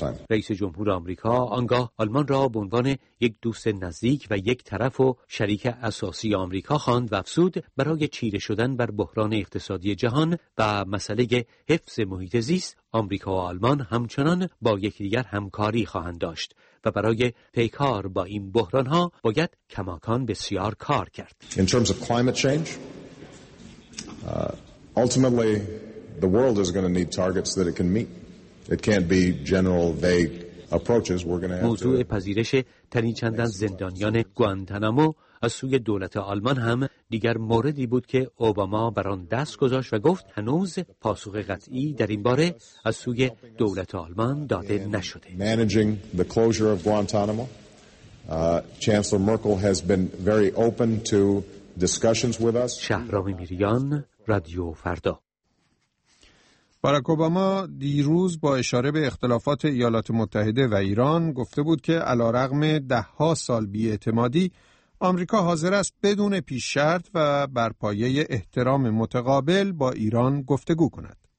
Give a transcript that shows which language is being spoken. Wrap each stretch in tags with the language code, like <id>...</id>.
<fa>رئیس جمهور آمریکا آنگاه آلمان را به عنوان یک دوست نزدیک و یک طرف و شریک اساسی آمریکا خواند و افزود برای چیره شدن بر بحران اقتصادی جهان و مسئله حفظ محیط زیست، آمریکا و آلمان همچنان با یکدیگر همکاری خواهند داشت و برای پیکار با این بحران ها باید کماکان بسیار کار کرد.</fa> <en>In terms of climate change, ultimately the world is going to need targets that it can meet. It can't be general vague approaches. We're going to have</en> <fa>موضوع پذیرش تنی چند از زندانیان گوانتانامو از سوی دولت آلمان هم دیگر موردی بود که اوباما بر آن دست گذاشت و گفت هنوز پاسخ قطعی در این باره از سوی دولت آلمان داده نشده.</fa> <en>Managing the closure of Guantanamo, Chancellor Merkel has been very open to discussions with us.</en> <fa>شهرام میریان، رادیو فردا. باراک اوباما دیروز با اشاره به اختلافات ایالات متحده و ایران گفته بود که علارغم ده‌ها سال بی‌اعتمادی، آمریکا حاضر است بدون پیش شرط و بر پایه احترام متقابل با ایران گفتگو کند.</fa>